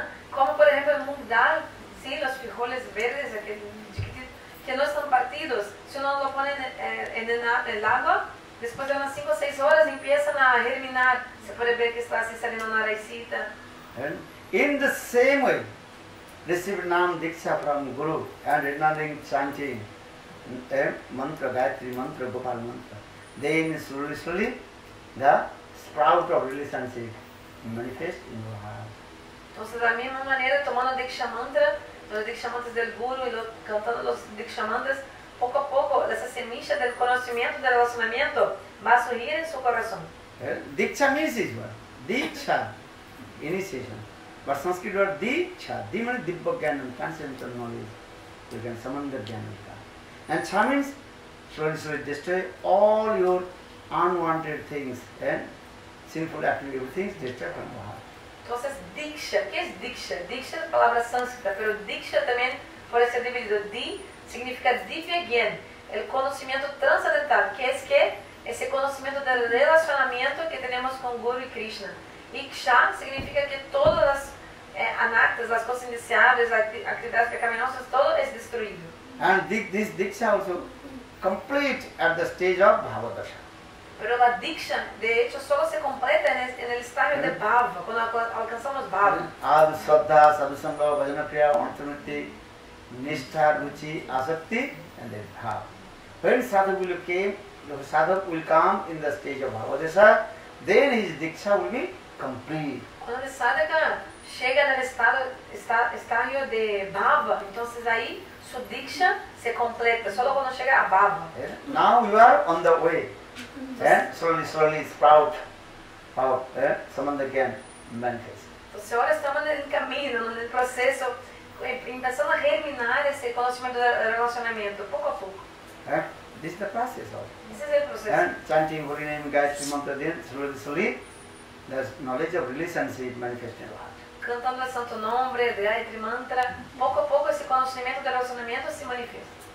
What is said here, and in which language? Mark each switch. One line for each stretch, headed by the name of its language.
Spanish: Como por ejemplo el mugdal. Sí, los frijoles verdes, aquel chiquitito, que no están partidos, si uno lo pone en el agua, después de unas 5 o 6 horas empiezan a germinar. Se puede ver que está así saliendo una raicita.
English: In the same way, receive Naam Diksha from Guru and Rinaling chanting mantra, Gayatri mantra, Gopal mantra. Then slowly, slowly, the sprout of relationship manifests in your heart.
Spanish: Entonces, de la misma manera, tomando Diksha mantra, los Diksha mantras del Guru y cantando los Diksha mantras, poco a poco, esa semilla del conocimiento, del relacionamiento, va a surgir en su corazón.
English: Diksha means is what? Diksha, initiation. But Sanskrit word Diksha, Di means Dibba Gyanam, transcendental knowledge. You can summon the Gyanam. And Cha means slowly, slowly destroy all your unwanted things and sinful activity, everything is destroyed from your heart.
Spanish: Entonces, Diksha, ¿qué es Diksha? Diksha es palabra sánscrita, pero Diksha también puede ser dividido. Di significa Divya Gyan, el conocimiento transcendental, que es que ese conocimiento del relacionamiento que tenemos con Guru y Krishna. Y Ksha significa que todas las anartas, las cosas indeseables, las actividades pecaminosas, todo es destruido.
English: And this Diksha also complete at the stage of Bhavadasha.
Spanish: Pero la Diksha, de hecho, solo se completa en el estadio de Bhava, cuando alcanzamos Bhava.
English: Ad Shraddha, Sadhusanga, Bhajana Kriya, Antamriti, Nishtha, Ruchi, Asakti, and then Bhava. When Sadhu will come in the stage of Bhavadasha, then his Diksha will be complete.
Spanish: Cuando el Sadhaka llega en el estadio de Bhava, entonces ahí su Diksha se completa, solo cuando llega a Bhava.
English: Now you are on the way. Slowly, slowly sprout out, Samanda Gyan manifest.
Spanish: Entonces ahora estamos en el camino, en el proceso, empezando a germinar ese conocimiento del relacionamiento, poco a poco.
English: This is the process of. This is the process. Chanting Hari Name, Gayatri Mantra, then slowly, slowly, the knowledge of relationship manifests in your heart.
Spanish: Cantando el Santo Nombre, Gayatri Mantra, poco a poco ese conocimiento del relacionamiento se manifiesta.